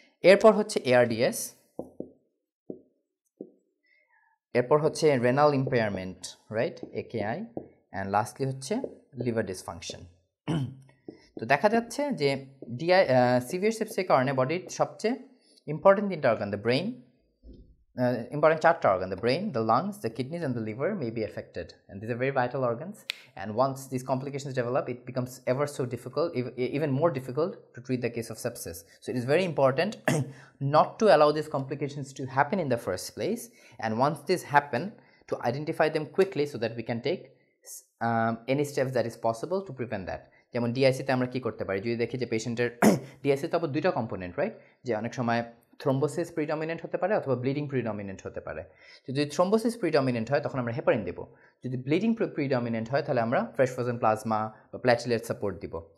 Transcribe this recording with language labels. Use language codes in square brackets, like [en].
[bn] এরপর হচ্ছে ARDS, এরপর হচ্ছে renal impairment, right, AKI, and lastly হচ্ছে লিভার ডিসফাংশন। তো দেখা যাচ্ছে যে সিভিয়ার সেপসিসের কারণে বডির সবচেয়ে ইম্পর্টেন্ট তিনটা organ, the brain, [en] important chapter organ, the brain, the lungs, the kidneys, and the liver may be affected. And these are very vital organs. And once these complications develop, it becomes ever so difficult, even more difficult to treat the case of sepsis. So it is very important not to allow these complications to happen in the first place. And once these happen, to identify them quickly so that we can take any steps that is possible to prevent that. [bn] যেমন ডিআইসিতে আমরা কী করতে পারি, যদি দেখি যে পেশেন্টের ডিআইসিতে আবার দুইটা কম্পোনেন্ট, রাইট, যে অনেক সময় থ্রম্বোসিস প্রিডমিনেন্ট হতে পারে অথবা ব্লিডিং প্রিডমিনেন্ট হতে পারে। যদি থ্রম্বোসিস প্রিডমিনেন্ট হয় তখন আমরা হেপারিন দেব, যদি ব্লিডিং প্রিডমিনেন্ট হয় তাহলে আমরা ফ্রেশ ফ্রোজেন প্লাজমা বা প্ল্যাটিলেট সাপোর্ট দিব।